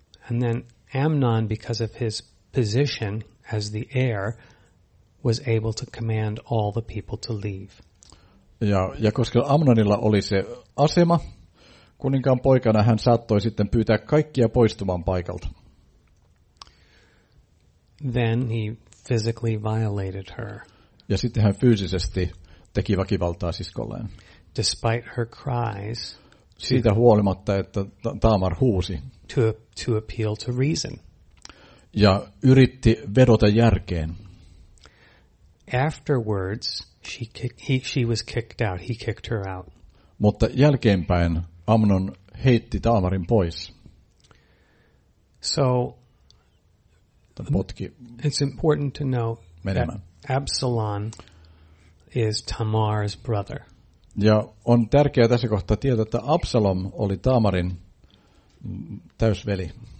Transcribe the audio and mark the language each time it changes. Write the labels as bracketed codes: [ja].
[en] And then Amnon, because of his position as the heir, was able to command all the people to leave. [fi] Ja koska Amnonilla oli se asema kuninkaan poikana, hän saattoi sitten pyytää kaikkia poistumaan paikalta. [en] Then he physically violated her. [fi] Ja sitten hän fyysisesti teki väkivaltaa siskolleen. [en] Despite her cries. [fi] Siitä huolimatta, että Taamar huusi. [en] To appeal to reason. [fi] Ja yritti vedota järkeen. [en] Afterwards, she was kicked out. He kicked her out. [fi] Mutta jälkeenpäin Amnon heitti Taamarin pois. [en] So [fi] potki. [en] It's important to know that Absalom is Tamar's brother. [fi] Ja on tärkeää tässä kohtaa tietää, että Absalom oli Taamarin täysveli.